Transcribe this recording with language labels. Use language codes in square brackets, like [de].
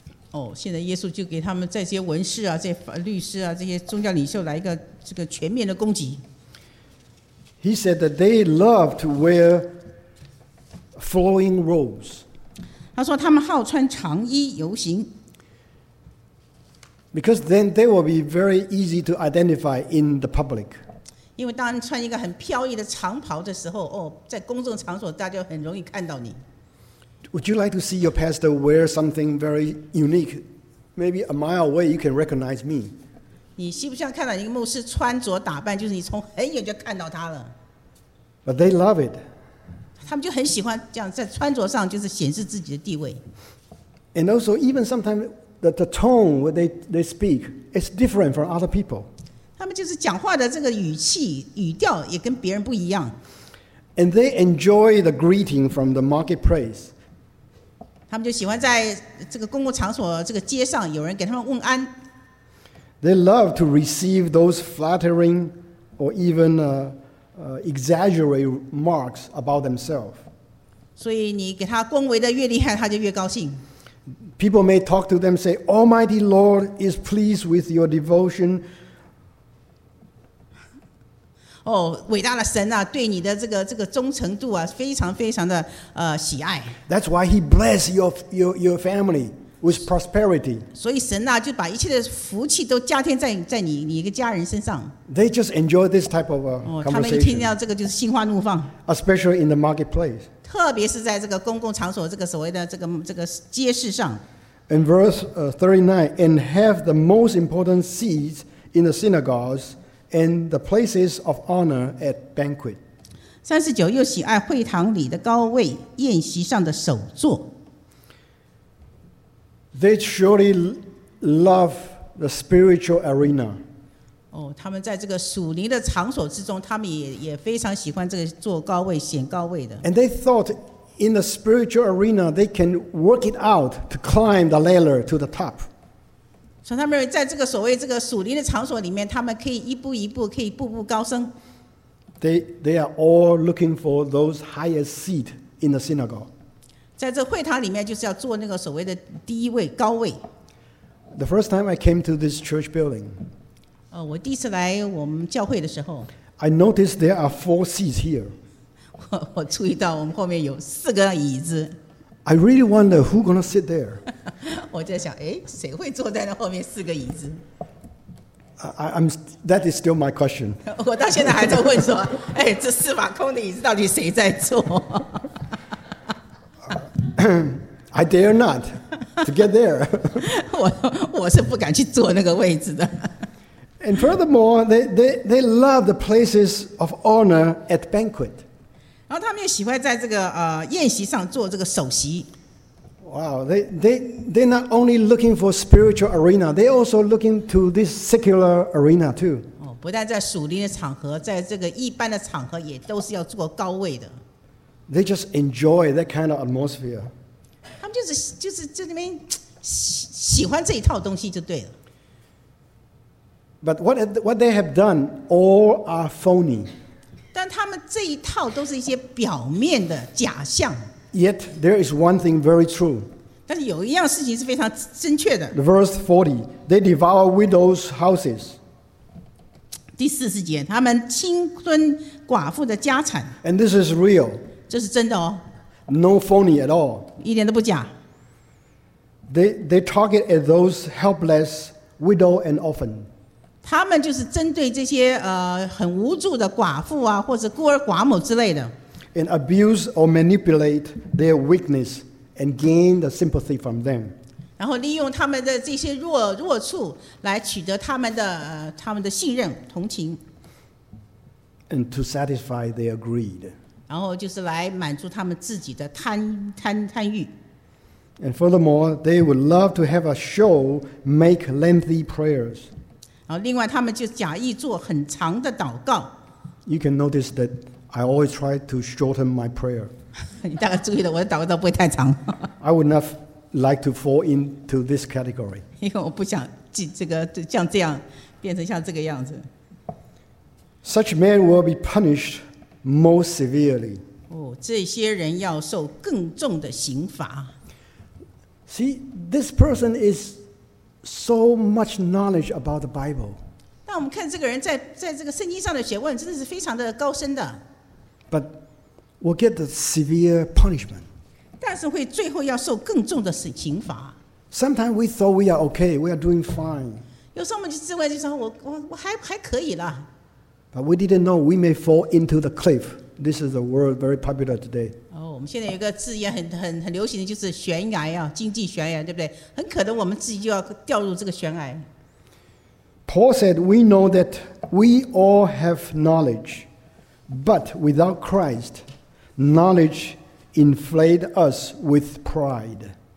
[zh] Oh, 现在耶稣就给他们在这些文士啊、这些律师啊、这些宗教领袖来一个这个全面的攻击。 [en] He said that they love to wear flowing robes. [zh] 他说他们好穿长衣游行。 [en] Because then they will be very easy to identify in the public. [zh] 因为当你穿一个很飘逸的长袍的时候，在公众场所大家很容易看到你。 [en] Would you like to see your pastor wear something very unique? Maybe a mile away, you can recognize me. [zh] 你希不希望看到一个牧师穿着打扮，就是你从很远就看到他了。 [en] But they love it. [zh] 他们就很喜欢这样在穿着上就是显示自己的地位。 [en] And also, even sometimes the tone where they speak is different from other people. [zh] 他们就是讲话的这个语气语调也跟别人不一样。 [en] And they enjoy the greeting from the marketplace. [zh] 他们就喜欢在这个公共场所、这个街上有人给他们问安。 [en] They love to receive those flattering or even exaggerated marks about themselves. [zh] 所以你给他恭维的越厉害，他就越高兴。 [en] People may talk to them, say, "Almighty Lord is pleased with your devotion." [zh] 哦，伟大的神啊，对你的这个忠诚度啊，非常非常的喜爱。 [en] That's why He blessed your family with prosperity. [zh] 所以神啊，就把一切的福气都加添在你一个家人身上。 [en] They just enjoy this type of conversation. [zh] 他们一听到这个就是心花怒放。 [en] Especially in the marketplace. [zh] 特别是在这个公共场所这个所谓的这个街市上。 [en] In verse 39, and have the most important seats in the synagogues and the places of honor at banquet. [zh] 39, 又喜爱会堂里的高位，宴席上的首座。 [en] They surely love the spiritual arena. [zh] 他们在这个属灵的场所之中，他们 也非常喜欢这个坐高位、显高位的。 [en] And they thought in the spiritual arena, they can work it out to climb the ladder to the top. [zh] 所以他们认为在这个所谓这个属灵的场所里面，他们可以一步一步，可以步步高升。 [en] They are all looking for those highest seat in the synagogue. [zh] 在这会堂里面就是要坐那个所谓的第一位、高位。 [en] The first time I came to this church building, [zh] 我第一次来我们教会的时候， [en] I noticed there are four seats here. [zh] 我注意到我们后面有四个椅子。 [en] I really wonder who's going to sit there. [zh] 我在想，谁会坐在那后面四个椅子？ [en] That is still my question. [zh] 我到现在还在问说，这四把空的椅子到底谁在坐？ [en] I dare not to get there. [zh] 我是不敢去坐那个位置的。 [en] And furthermore, they love the places of honor at banquet. [zh] 然后他们也喜欢在这个宴席上做这个首席。 [en] Wow, they're not only looking for spiritual arena, they're also looking to this secular arena too. [zh] 不但在属灵的场合，在这个一般的场合也都是要坐高位的。 [en] They just enjoy that kind of atmosphere. [zh] 他们就是在那边喜欢这一套东西就对了。 [en] But what they have done all are phony. [zh] 但他们这一套都是一些表面的假象。 [en] Yet there is one thing very true. [zh] 但是有一样事情是非常正确的。 [en] Verse 40, they devour widows' houses. [zh] 第四十节，他们侵吞寡妇的家产。 [en] And this is real. [zh] 这是真的哦。 [en] No phony at all. [zh] 一点都不假。 [en] They target at those helpless widow and orphan. [zh] 他们就是针对这些很无助的寡妇啊，或者孤儿寡母之类的。 [en] And abuse or manipulate their weakness and gain the sympathy from them. [zh] 然后利用他们的这些弱处来取得他们的信任、同情。 [en] And to satisfy their greed. [zh] 然后就是来满足他们自己的贪欲。 [en] And furthermore, they would love to have a show make lengthy prayers. [zh] 然后另外他们就假意做很长的祷告。 [en] You can notice that I always try to shorten my prayer. [zh] 你大概注意了，我的祷告都不会太长。 [en] I would not like to fall into this category. [zh] 因为我不想像这样变成像这个样子。 [en] Such men will be punished. Most severely. [zh] 这些人要受更重的刑罚。 [en] See, this person is so much knowledge about the Bible. [zh] 但我们看这个人在这个圣经上的学问真的是非常的高深的。 [en] But we'll get the severe punishment. [zh] 但是会最后要受更重的刑罚。 [en] Sometimes we thought we are okay, we are doing fine. [zh] 有时候我们就自问就说我还可以了。 [en] But we didn't know we may fall into the cliff. This is a word very popular today. [zh] 我们现在有个字眼很流行的就是悬崖啊，经济悬崖，对不对？很可能我们自己就要掉入这个悬崖。 [en] Paul said, "We know that we all have knowledge, but without Christ, knowledge inflates us with pride."